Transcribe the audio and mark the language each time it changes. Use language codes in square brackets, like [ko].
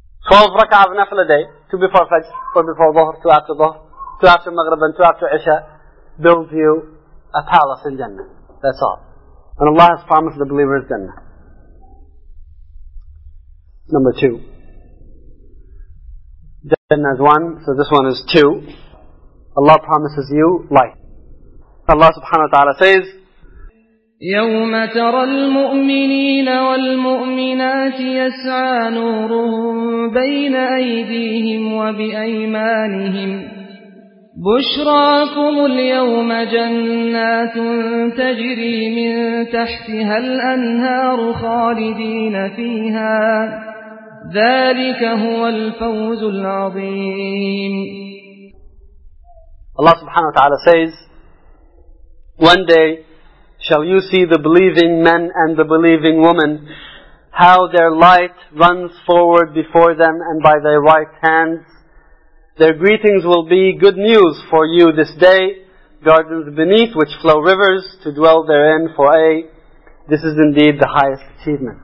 [en] 12 rak'ah of nafl a day, 2 before Fajr, 4 before Dhuhr, 2 after Dhuhr, 2 after Maghrib and 2 after Isha, build you a palace in Jannah. That's all. And Allah has promised the believers Jannah. Number 2. Jannah is 1, so this one is 2. Allah promises you life. Allah subhanahu wa ta'ala says, [ar] يَوْمَ تَرَى الْمُؤْمِنِينَ وَالْمُؤْمِنَاتِ يَسْعَى نُورُهُمْ بَيْنَ أَيْدِيهِمْ وَبِأَيْمَانِهِمْ بشراكم اليوم جنات تجري من تحتها الأنهار خالدين فيها ذلك هو الفوز العظيم. [en] Allah subhanahu wa ta'ala says, one day shall you see the believing men and the believing women, how their light runs forward before them, and by their right hand their greetings will be good news for you this day, gardens beneath which flow rivers to dwell therein, for a, this is indeed the highest achievement.